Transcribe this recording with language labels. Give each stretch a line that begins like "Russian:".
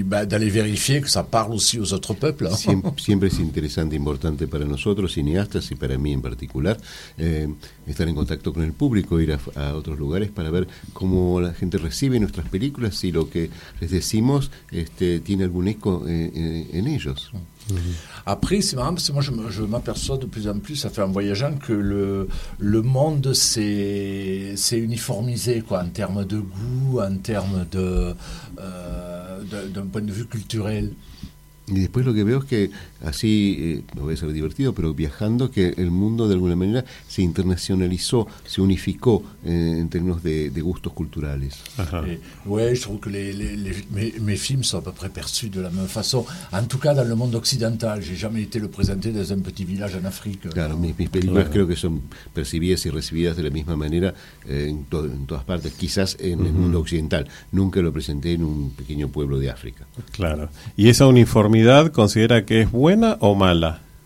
French: d'aller vérifier que ça parle aussi aux autres peuples.
Spanish: Siempre es interesante, importante para nosotros, cineastas, y para mí en particular, estar en contacto con el público, ir a otros lugares para ver cómo la gente recibe nuestras películas, si lo que les decimos tiene algún eco en ellos.
French: Après, c'est marrant parce que moi, je m'aperçois de plus en plus, ça fait en voyageant, que le monde s'est uniformisé, quoi, en termes de goût, en termes d'un point de vue culturel.
Spanish: Y después lo que veo es que así, no voy a ser divertido, pero viajando, que el mundo de alguna manera se internacionalizó, se unificó en términos de gustos culturales.
French: Oui, je trouve que mes films sont à peu près perçus de la même façon. En tout cas, dans le monde occidental, j'ai jamais été le présenter dans un petit village en Afrique.
Spanish: Claro, mis películas creo que son percibidas y recibidas de la misma manera en todas partes, quizás en el mundo occidental. Nunca lo presenté en un pequeño pueblo de África. Claro. Y esa uniformidad considera que es buena o mala.